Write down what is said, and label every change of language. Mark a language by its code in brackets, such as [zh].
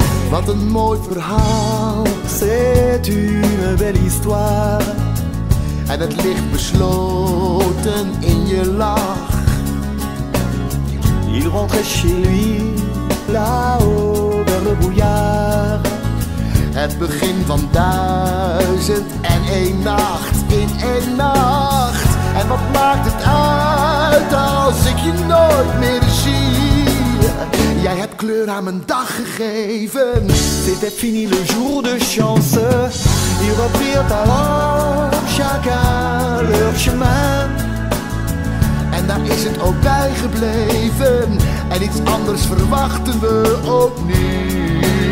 [nl] Wat een mooi verhaal, [fr] c'est une belle histoire. [nl] En het ligt besloten in je lach. [fr] Il rentrait chez lui, là-haut dans le brouillard. [nl] Het begin van 1001 nacht, in 1 nacht. En wat maakt het uit als ik je nooit meer zie? Jij hebt kleur aan mijn dag gegeven. [fr] C'était fini le jour de chance. Ils reprirent alors chacun leur chemin. [nl] En daar is het ook bij gebleven. En iets anders verwachten we ook niet.